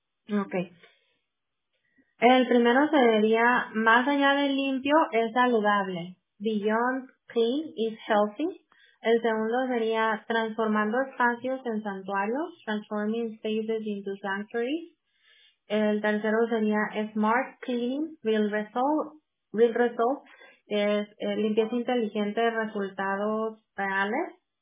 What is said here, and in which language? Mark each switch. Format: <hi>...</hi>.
<es>Okay. El primero sería, más allá de limpio, es saludable.</es> <en>Beyond clean is healthy.</en> <es>El segundo sería, transformando espacios en santuarios.</es> <en>Transforming spaces into sanctuaries.</en> <es>El tercero sería,</es> <en>smart cleaning will result</en> <es>es limpieza inteligente de resultados reales.</es>